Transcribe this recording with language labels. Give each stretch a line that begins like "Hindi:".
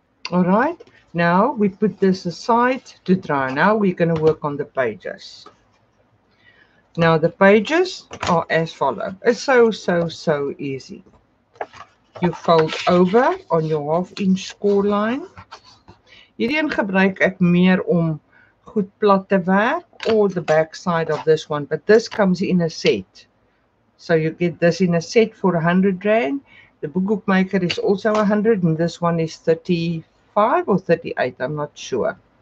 English: All right, now we put this aside to dry. Now we're going to work on the pages. Now the pages are as follows. It's so easy. You fold over on your half inch score line.
Afrikaans: Hierdie een gebruik ek meer om goed plat te werk.
English: Or the back side of this one, but this comes in a set. So you get this in a set for 100 rand. The boekhoekmaker is also 100 and this one is 35 or 38, I'm not sure.